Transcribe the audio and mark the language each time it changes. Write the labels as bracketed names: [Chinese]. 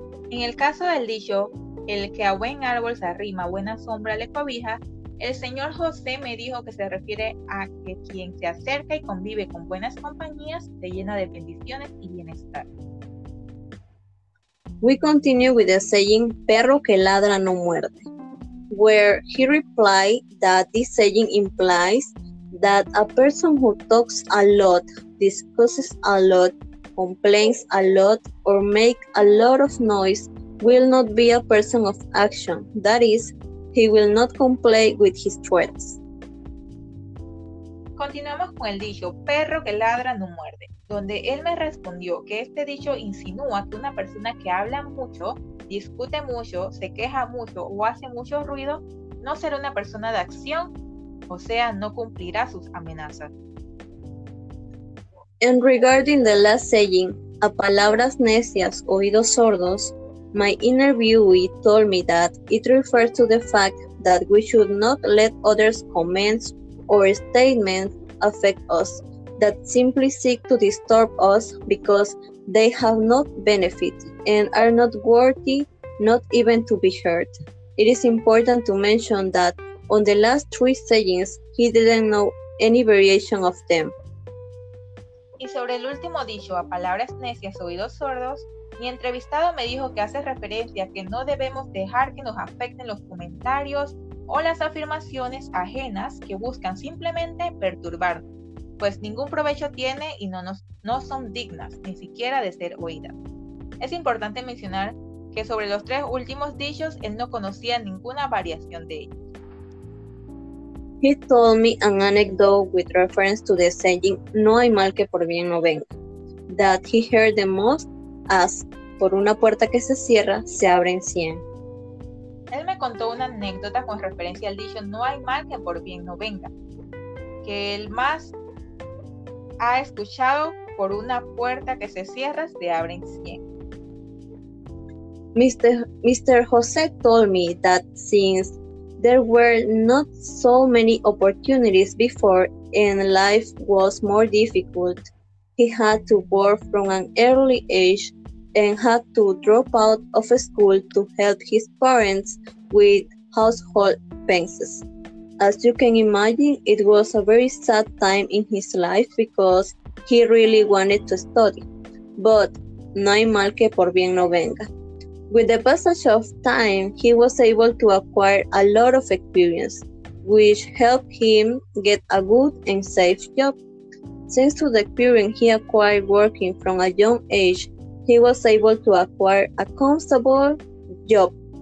[Spanish] En el caso del dicho, el que a buen árbol se arrima, buena sombra le cobija, el señor José me dijo que se refiere a que quien se acerca y convive con buenas compañías se llena de bendiciones y bienestar. [English] We continue with the saying, [Spanish] perro que ladra no muerde, [English] where he replied that this saying implies that a person who talks a lot, discusses a lot, complains a lot, or makes a lot of noise will not be a person of action. That is, he will not comply with his threats. [Spanish] Continuamos con el dicho, perro que ladra no muerde, donde él me respondió que este dicho insinúa que una persona que habla mucho, discute mucho, se queja mucho o hace mucho ruido, no será una persona de acción, o sea, no cumplirá sus amenazas. [English] And regarding the last saying, [Spanish] a palabras necias, oídos sordos, [English] my interviewee told me that it refers to the fact that we should not let others' comments or statements affect us, that simply seek to disturb us because they have no benefit and are not worthy, not even to be heard. It is important to mention that on the last three sayings, he didn't know any variation of them. [Spanish] Y sobre el último dicho, a palabras necias, oídos sordos, mi entrevistado me dijo que hace referencia a que no debemos dejar que nos afecten los comentarios o las afirmaciones ajenas que buscan simplemente perturbarnos, pues ningún provecho tiene y no son dignas ni siquiera de ser oídas. Es importante mencionar que sobre los tres últimos dichos, él no conocía ninguna variación de ellos. [English] He told me an anecdote with reference to the saying, [Spanish] no hay mal que por bien no venga, [English] that he heard the most as, [Spanish] por una puerta que se cierra, se abren 100. Él me contó una anécdota con referencia al dicho, no hay mal que por bien no venga, que él más ha escuchado, por una puerta que se cierra, se abren 100. [English] Mr. Jose told me that since there were not so many opportunities before and life was more difficult, he had to work from an early age and had to drop out of school to help his parents with household expenses. As you can imagine, it was a very sad time in his life because he really wanted to study. But [Spanish] no hay mal que por bien no venga. [English] With the passage of time, he was able to acquire a lot of experience, which helped him get a good and safe job. Thanks to the experience he acquired working from a young age, he was able to acquire a comfortable job.